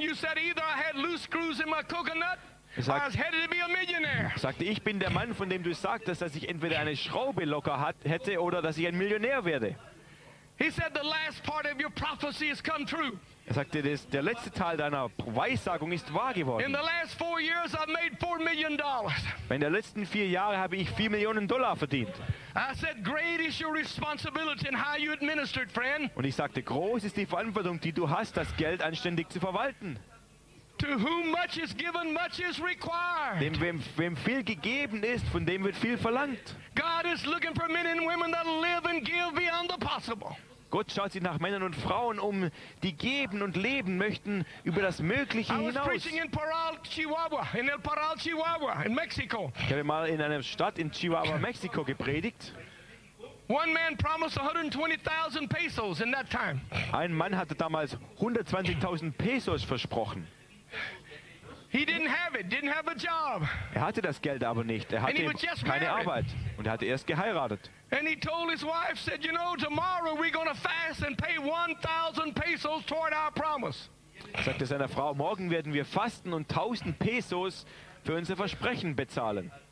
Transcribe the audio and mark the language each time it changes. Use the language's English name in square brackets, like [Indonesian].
[English] You said either I had loose screws in my coconut, or I was headed to be a millionaire." [German] Sagte, ich bin der Mann, von dem du sagtest, dass ich entweder eine Schraube locker hätte oder dass ich ein Millionär werde. [English] He said, "The last part of your prophecy has come true." [German] Er sagte, der letzte Teil deiner Weissagung ist wahr geworden. [English] In the last 4 years, I've made $4 million. [German] In den letzten 4 Jahren habe ich $4 Millionen verdient. [English] I said, great is your responsibility in how you administered, friend. [German] Und ich sagte, groß ist die Verantwortung, die du hast, das Geld anständig zu verwalten. [English] To whom much is given, much is required. [German] Dem, wem viel gegeben ist, von dem wird viel verlangt. [English] God is looking for men and women that live and give beyond the possible. [German] Gott schaut sich nach Männern und Frauen um, die geben und leben möchten über das Mögliche hinaus. [English] I was preaching in Parral, Chihuahua, in El Parral, Chihuahua, in Mexico. [German] Ich habe mal in einer Stadt in Chihuahua, Mexiko gepredigt. [English] One man promised 120,000 pesos in that time. [German] Ein Mann hatte damals 120,000 pesos versprochen. [English] He didn't have it, didn't have a job. [German] Er hatte das Geld aber nicht. Er hatte keine Arbeit und er hatte erst geheiratet. [English] And he told his wife, said, "You know, tomorrow we're going to fast and pay 1,000 pesos toward our promise." [German] Sagte seiner Frau, morgen werden wir fasten und 1,000 pesos für unser Versprechen bezahlen.